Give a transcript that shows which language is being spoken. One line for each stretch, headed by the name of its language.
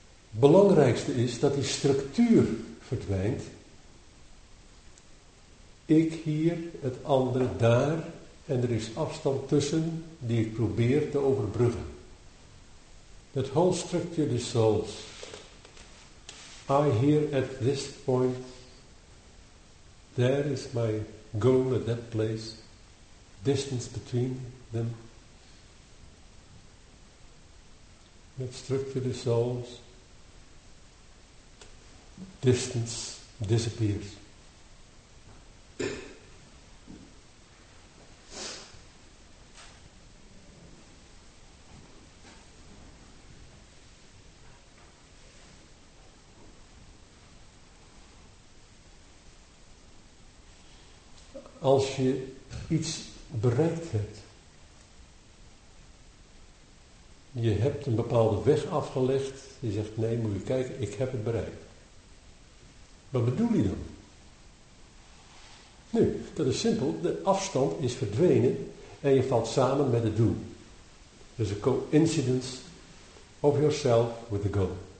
Dutch: Het belangrijkste is dat die structuur verdwijnt. Ik hier, het andere daar, en er is afstand tussen die ik probeer te overbruggen.
English: That whole structure dissolves. I here at this point, there is my goal at that place, distance between them. That structure dissolves, distance disappears.
Dutch: Als je iets bereikt hebt, je hebt een bepaalde weg afgelegd, je zegt nee, moet je kijken, ik heb het bereikt. Wat bedoel je dan? Nu, dat is simpel, de afstand is verdwenen en je valt samen met het doel.
English: There's a coincidence of yourself with the goal.